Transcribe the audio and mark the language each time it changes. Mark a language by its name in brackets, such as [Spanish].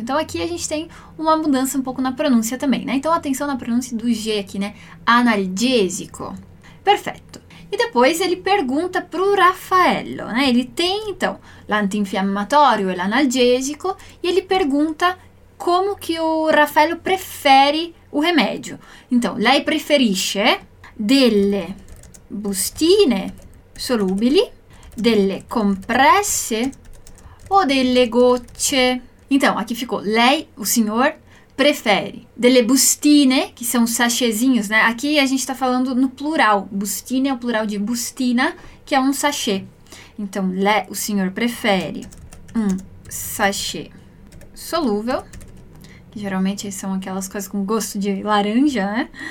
[Portuguese] Então, aqui a gente tem uma mudança um pouco na pronúncia também, né? Então, atenção na pronúncia do G aqui, né? Analgésico. Perfeito. E depois ele pergunta pro Raffaello, né? Ele tem, então, l'antinfiammatorio e l'analgésico. E ele pergunta como que o Raffaello prefere o remédio. [Italian] Então, lei preferisce delle bustine solubili, delle compresse ou delle gocce. [Portuguese] Então, aqui ficou, lei, o senhor, prefere delle bustine, que são sachezinhos, né? Aqui a gente está falando no plural, bustine é o plural de bustina, que é um sachê. Então, lei, o senhor, prefere um sachê solúvel, que geralmente são aquelas coisas com gosto de laranja, né?